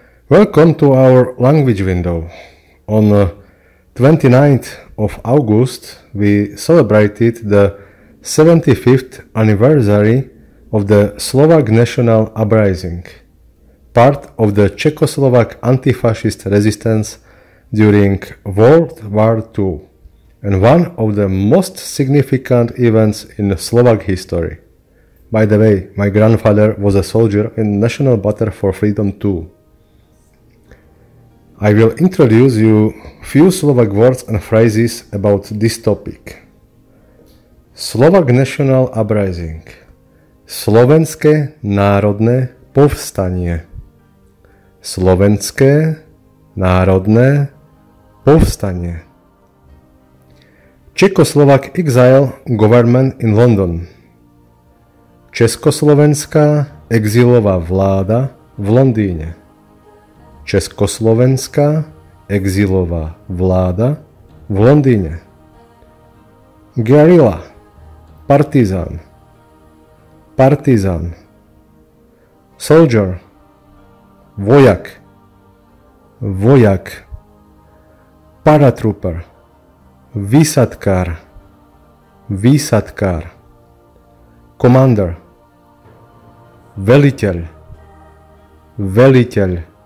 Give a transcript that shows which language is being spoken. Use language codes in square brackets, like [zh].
[en] Welcome to our language window. On 29th of August, we celebrated the 75th anniversary of the Slovak National Uprising, part of the Czechoslovak anti-fascist resistance during World War II, and one of the most significant events in Slovak history. By the way, my grandfather was a soldier in National Battle for Freedom too. I will introduce you few Slovak words and phrases about this topic. Slovak National Uprising. [sk] Slovenské národné povstanie. Slovenské národné povstanie. [en] Czechoslovak exile government in London. [sk] Československá exilová vláda v Londýne. Československá exilová vláda v Londýne. Guerrilla. Partizan, partizan. Soldier, vojak, vojak. Paratrooper, výsadkár, výsadkár. Commander, veliteľ, veliteľ.